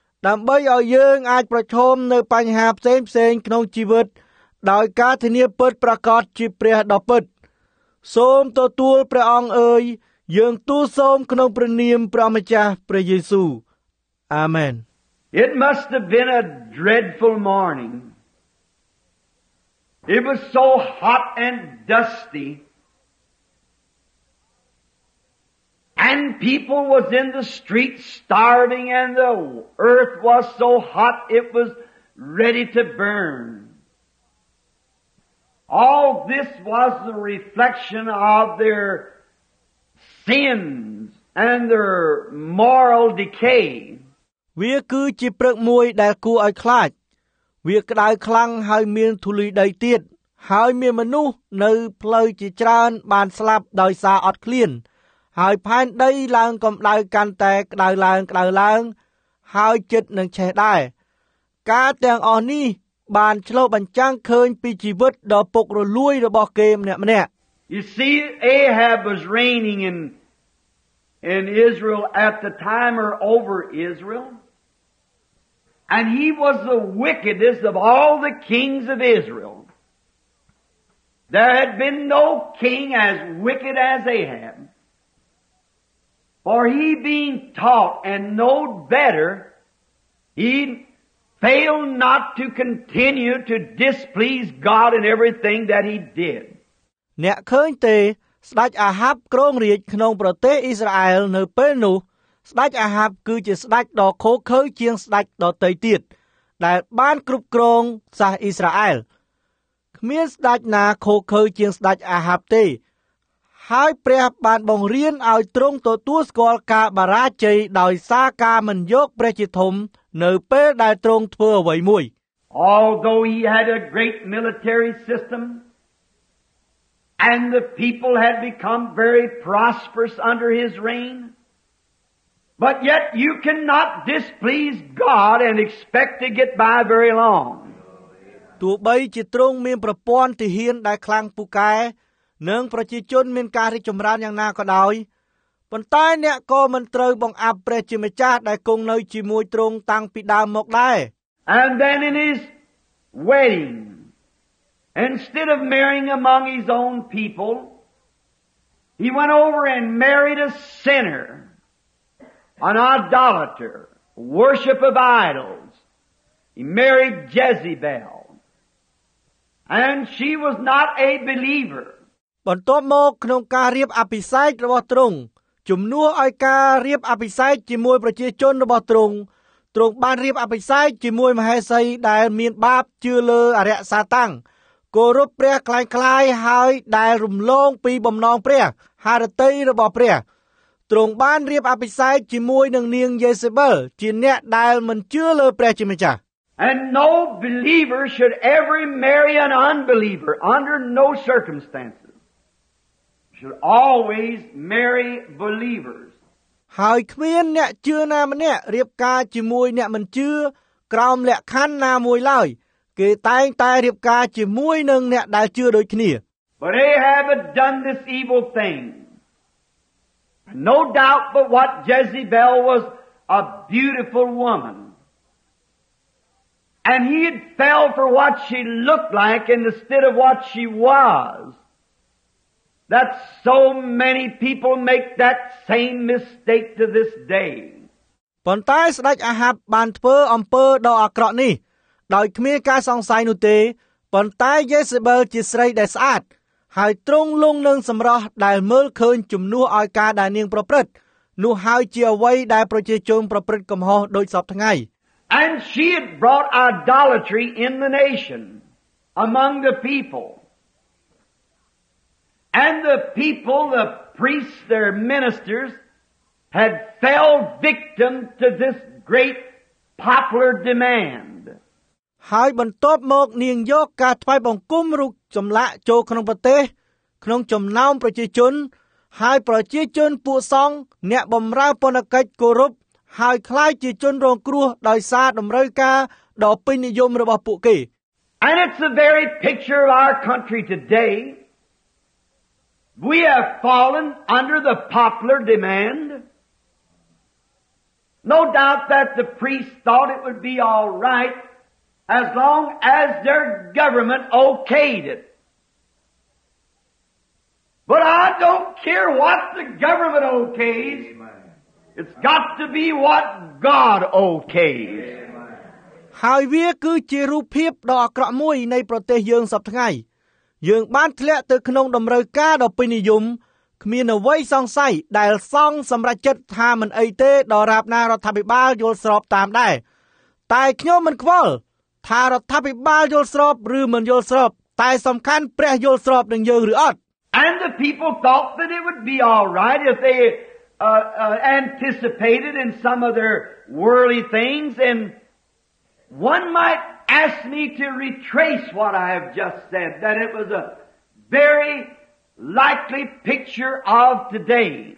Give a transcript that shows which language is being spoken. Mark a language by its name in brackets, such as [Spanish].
[Khmer] ដើម្បីឲ្យយើងអាចប្រឈមនៅបញ្ហាផ្សេងៗក្នុងជីវិតដោយការធានាពិតប្រាកដជាព្រះដ៏ពិត សូមទទួលព្រះអង្គអើយយើងទូលសូមក្នុងព្រះនាមព្រះម្ចាស់ព្រះយេស៊ូវអាមែន [English] It must have been a dreadful morning. It was so hot and dusty. And people was in the streets starving and the earth was so hot it was ready to burn. All this was the reflection of their sins and their moral decay. [Khmer] វាគឺជាព្រឹកមួយដែលគួរឲ្យខ្លាចវាក្តៅខ្លាំងហើយមានធូលីដីទៀតហើយមានមនុស្សនៅផ្លូវជាច្រើនបានស្លាប់ដោយសារអត់ឃ្លានហើយផែនដីឡើងកម្ដៅកាន់តែក្តៅឡើងក្តៅឡើងហើយចិត្តនឹងឆេះដែរការទាំងអស់នេះបានឆ្លុះបញ្ចាំងឃើញពីជីវិតដ៏ពុករលួយរបស់គេម្នាក់ម្នាក់ [English] You see Ahab was reigning in Israel at the time or over Israel and he was the wickedest of all the kings of Israel There had been no king as wicked as Ahab For he being taught and knowed better, he failed not to continue to displease God in everything that he did. [Khmer] អ្នកឃើញទេស្ដេចអាហាបគ្រងរាជក្នុងប្រទេសអ៊ីស្រាអែលនៅពេលនោះស្ដេចអាហាបគឺជាស្ដេចដ៏ខូចខើជាងស្ដេចដទៃទៀតដែលបានគ្រប់គ្រងសាសអ៊ីស្រាអែលគ្មានស្ដេចណាខូចខើជាងស្ដេចអាហាបទេហើយព្រះបានបង្រៀនឲ្យទ្រង់ទទួលស្គាល់ការបរាជ័យដោយសារការមិនយកព្រះជាធំនៅពេលដែលទ្រង់ធ្វើអ្វីមួយ [English] Although he had a great military system and the people had become very prosperous under his reign but yet you cannot displease God and expect to get by very long [Khmer] ទោះបីជាទ្រង់មានប្រព័ន្ធទាហានដែលខ្លាំងពូកែនឹងប្រជាជនមានការរីកចម្រើនយ៉ាងណាក៏ដោយប៉ុន្តែអ្នកក៏មិនត្រូវបង្អាប់ព្រះជាម្ចាស់ដែលគង់នៅជាមួយទ្រង់តាំងពីដើមមកដែរ [English] And then in his wedding instead of marrying among his own people he went over and married a sinner an idolater worship of idols he married Jezebel and she was not a believer [Khmer] បន្ទាប់មកក្នុងការរៀបអភិសេករបស់ទ្រង់ជំនួសឲ្យការរៀបអភិសេកជាមួយប្រជាជនរបស់ទ្រង់ទ្រង់បានរៀបអភិសេកជាមួយមហេសីដែលមានបាបជឿលើអរិយសាតាំងគោរពព្រះ [Thai] คล้ายๆ [Khmer] ហើយដែលរំលងពីបំណងព្រះហារតីរបស់ព្រះទ្រង់បានរៀបអភិសេកជាមួយនឹងនាងយេសេបលជាអ្នកដែលមិនជឿលើព្រះជាម្ចាស់ [English] And no believer should ever marry an unbeliever under no circumstances. Should always marry believers. [Khmer] ហើយគ្មានអ្នកជឿណាម្នាក់រៀបការជាមួយអ្នកមិនជឿក្រោមលក្ខខណ្ឌណាមួយឡើយគេតែងតែរៀបការជាមួយនឹងអ្នកដែលជឿដូចគ្នា [English] But they have done this evil thing. No doubt but what Jezebel was a beautiful woman. And he had fell for what she looked like instead of what she was. That so many people make that same mistake to this day. [Khmer] ប៉ុន្តែស្ដេចអាហាបបានធ្វើអំពើដ៏អាក្រក់នេះដោយគ្មានការសង្ស័យនោះទេប៉ុន្តែយេសេបលជាស្រីដែលស្អាតហើយទ្រង់លងនឹងសម្រស់ដែលមើលឃើញជំនួសឲ្យការដែលនាងប្រព្រឹត្តនោះហើយជាអ្វីដែលប្រជាជនប្រព្រឹត្តកំហុសដូចសពថ្ងៃ [English] And she had brought idolatry in the nation among the people. And the people, the priests, their ministers, had fell victim to this great popular demand. [Khmer] ហើយបន្ទាប់មកនាងយកការថ្វាយបង្គំរូបចម្លាក់ចូលក្នុងប្រទេសក្នុងចំណោមប្រជាជនហើយប្រជាជនពួកសង្ឃអ្នកបម្រើពនកិច្ចគោរពហើយខ្លាចជាជនរងគ្រោះដោយសារតម្រូវការដ៏ពេញនិយមរបស់ពួកគេ [English] And it's the very picture of our country today. We have fallen under the popular demand. No doubt that the priests thought it would be all right as long as their government okayed it. But don't care what the government okays. It's got to be what God okays. [Khmer] ហើយវាគឺជារូបភាពដ៏អាក្រក់មួយនៃប្រទេសយើងសប្តាហ៍ថ្ងៃយើងបានធ្លាក់ទៅក្នុងដំណើរការដ៏ពេញនិយមគ្មានអ្វីសង្ស័យដែលសង្ឃសម្រាប់ចិត្តថាមិនអីទេដល់រាបណារដ្ឋាភិបាលយល់ស្របតាមដែរតែខ្ញុំមិនខ្វល់ថារដ្ឋាភិបាលយល់ស្របឬមិនយល់ស្របតែសំខាន់ព្រះយល់ស្របនឹងយើងឬអត់ [English] And the people thought that it would be all right if they anticipated in some of their worldly things andOne might ask me to retrace what I have just said, that it was a very likely picture of today.